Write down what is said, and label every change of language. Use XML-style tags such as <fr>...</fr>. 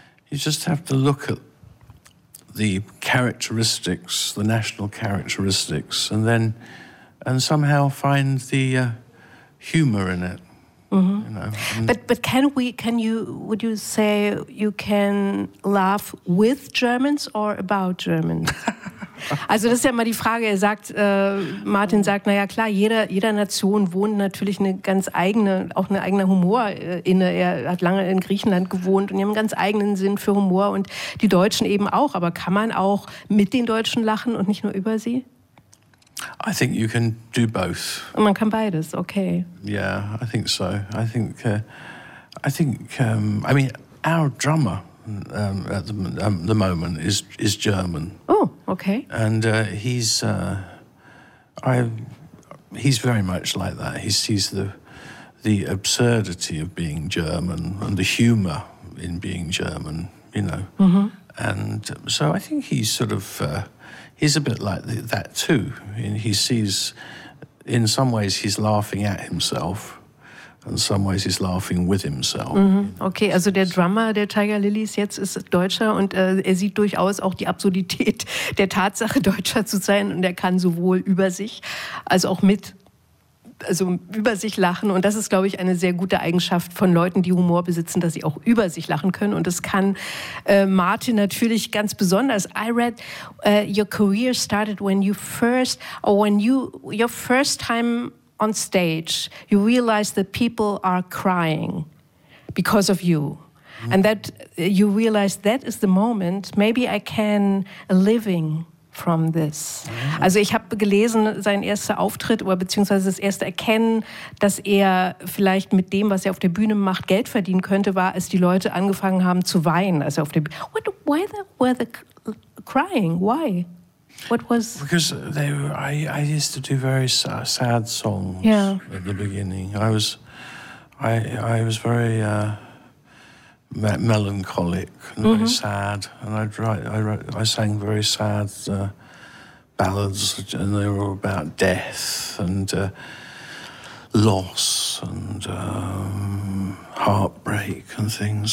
<en>you just have to look at the characteristics, the national characteristics, and then somehow find the humor in it. Mm-hmm. You know, but would you say you can laugh with Germans or about Germans?</en> <de>Also das ist ja mal die Frage. Er sagt, Martin sagt, na ja klar, jeder Nation wohnt natürlich eine ganz eigene, auch eine eigene Humor inne. Er hat lange in Griechenland gewohnt und die haben einen ganz eigenen Sinn für Humor und die Deutschen eben auch. Aber kann man auch mit den Deutschen lachen und nicht nur über sie?</de> <en>I think you can do both.</en> <de>Und man kann beides, okay.</de> <en>Yeah, I think so. I mean, our drummer at the moment is German. Oh, okay. And he's very much like that. He sees the absurdity of being German and the humor in being German, you know. Mm-hmm. And so I think he's sort of he's a bit like that too. And he sees, in some ways, he's laughing at himself. In some ways he's laughing with himself. Mm-hmm.</en> <de>Okay, also der Drummer der Tiger Lilies jetzt ist Deutscher und er sieht durchaus auch die Absurdität der Tatsache, Deutscher zu sein. Und er kann sowohl über sich als auch über sich lachen. Und das ist, glaube ich, eine sehr gute Eigenschaft von Leuten, die Humor besitzen, dass sie auch über sich lachen können. Und das kann Martin natürlich ganz besonders.</de> <en>I read your career started when your first time... on stage, you realize that people are crying because of you. Mm. And that you realize that is the moment, maybe I can a living from this. Mm.</en> <de>Also ich habe gelesen, sein erster Auftritt oder beziehungsweise das erste Erkennen, dass er vielleicht mit dem, was er auf der Bühne macht, Geld verdienen könnte, war, als die Leute angefangen haben zu weinen. Also auf der Bühne.</de> <en>Why were they crying? Why? What was? Because they were, I used to do very sad songs. Yeah. At the beginning, I was very melancholic and mm-hmm. very sad, and I sang very sad ballads, and they were all about death and loss and heartbreak and things.</en>